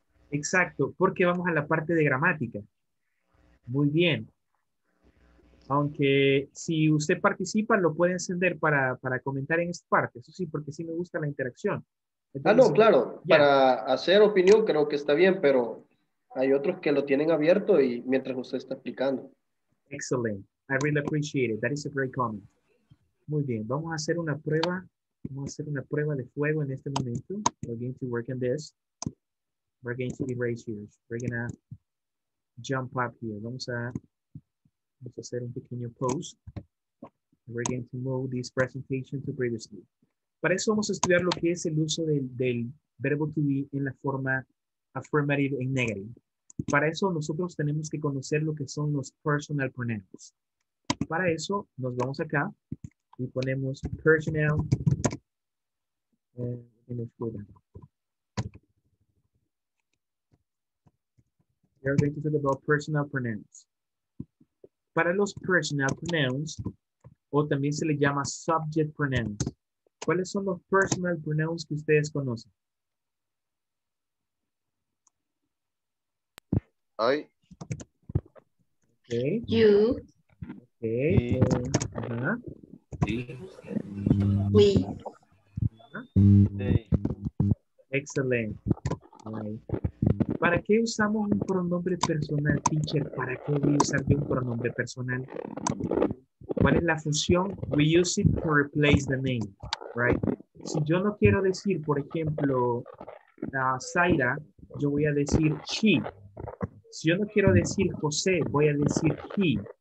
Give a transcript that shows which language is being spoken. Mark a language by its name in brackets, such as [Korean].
[Spanish] Exacto, porque vamos a la parte de gramática. Muy bien. Aunque si usted participa, lo puede encender para comentar en esta parte. Eso sí, porque sí me gusta la interacción. Entonces, claro. Ya. Para hacer opinión creo que está bien, pero hay otros que lo tienen abierto y mientras usted está explicando. [English] Excellent. I really appreciate it. That is a great comment. [Spanish] Muy bien, vamos a hacer una prueba. Vamos a hacer una prueba de fuego en este momento. [English] We're going to work on this. We're going to erase here. We're going to jump up here. [Spanish] Vamos a hacer un pequeño post. [English] We're going to move this presentation to previously. [Spanish] Para eso vamos a estudiar lo que es el uso del verbo to be en la forma [English] affirmative and negative. [Spanish] Para eso nosotros tenemos que conocer lo que son los personal pronouns. Para eso nos vamos acá y ponemos personal en el cuadro. [English] We are going to talk about personal pronouns. [Spanish] Para los personal pronouns, o también se le llama subject pronouns, ¿cuáles son los personal pronouns que ustedes conocen? [English] I. Okay. You. Okay. We. Excellent. [Spanish] ¿Para qué usamos un pronombre personal, teacher? ¿Para qué voy a usar un pronombre personal? ¿Cuál es la función? [English] We use it to replace the name, right? [Spanish] Si yo no quiero decir, por ejemplo, Zaira, yo voy a decir she. Si yo no quiero decir José, voy a decir he.